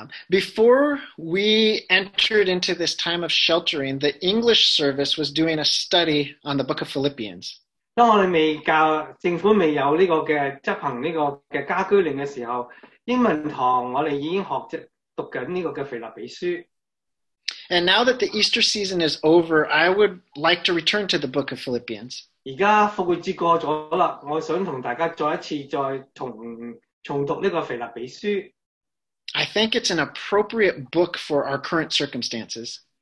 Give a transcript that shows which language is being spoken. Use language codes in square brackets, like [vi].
[en] Before we entered into this time of sheltering, the English service was doing a study on the book of Philippians. [zh] 当我们未教,政府未有这个,执行这个家居令的时候, 英文堂我们已经学着读这个腓立比书。 [en] And now that the Easter season is over, I would like to return to the book of Philippians. [zh] 现在复活节过了,我想和大家再一次再重读这个腓立比书。 [en] I think it's an appropriate book for our current circumstances.